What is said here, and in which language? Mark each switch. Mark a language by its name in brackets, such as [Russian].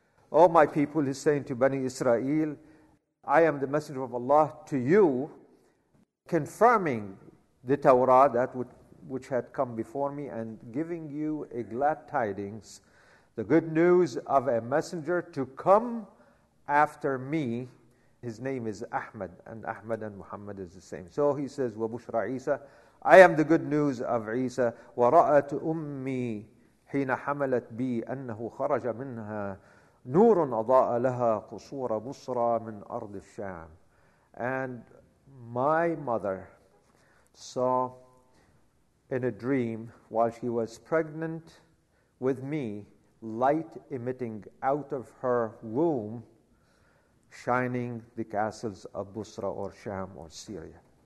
[English] Oh, my people, he's saying to Bani Israel, I am the messenger of Allah to you, confirming the Torah, that which had come before me, and giving you a glad tidings, the good news of a messenger to come after me. His name is Ahmad, and Ahmad and Muhammad is the same. So he says, [Arabic] وَبُشْرَ عِيسَى. [English] I am the good news of Isa. [Arabic] ورأت أمي حين حملت بي أنه خرج منها نور أضاء لها قصور مصر من أرض الشام. [English] And my mother saw in a dream while she was pregnant with me light emitting out of her womb shining the castles of Busra or Sham or Syria.